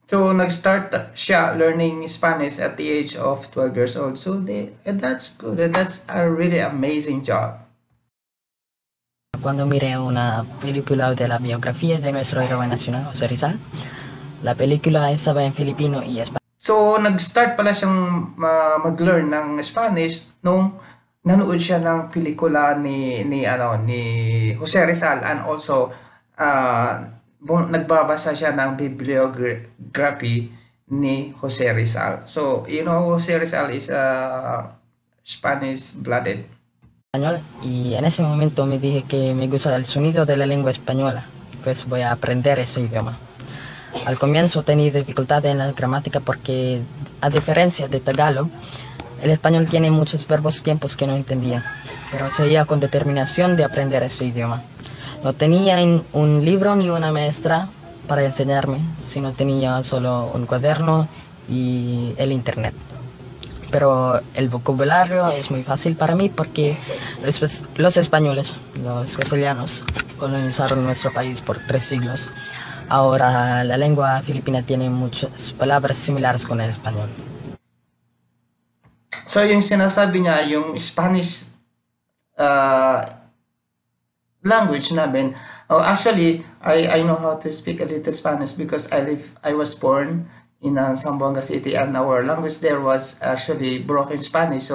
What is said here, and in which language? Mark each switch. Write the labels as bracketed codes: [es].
[en] So [tl] nag-start siya [en] learning Spanish at the age of 12 years old. So that's good. That's a really amazing job. [es] Cuando miré una película de la biografía de nuestro héroe nacional, José Rizal, la película estaba en Filipino y español. [tl] So nag-start pala siyang mag-learn ng Spanish nung nanood siya ng pelikula ni Jose Rizal and also nagbabasa siya ng bibliography ni Jose Rizal. [en] So, you know, Jose Rizal is a Spanish-blooded. [es] Español y en ese momento me dije que me gusta el sonido de la lengua española, pues voy a aprender ese idioma. Al comienzo tenía dificultad en la gramática porque, a diferencia de Tagalog, el español tiene muchos verbos tiempos que no entendía, pero seguía con determinación de aprender ese idioma. No tenía un libro ni una maestra, para enseñarme, sino tenía solo un cuaderno y el internet. Pero el vocabulario es muy fácil para mí porque los españoles, los castellanos, colonizaron nuestro país por 3 siglos. Ahora la lengua filipina tiene muchas palabras similares con el español. [en] So, [tl] yung sinasabi niya, yung Spanish language namin, [en] oh, actually, I know how to speak a little Spanish because I was born in Zamboanga City and our language there was actually broken Spanish.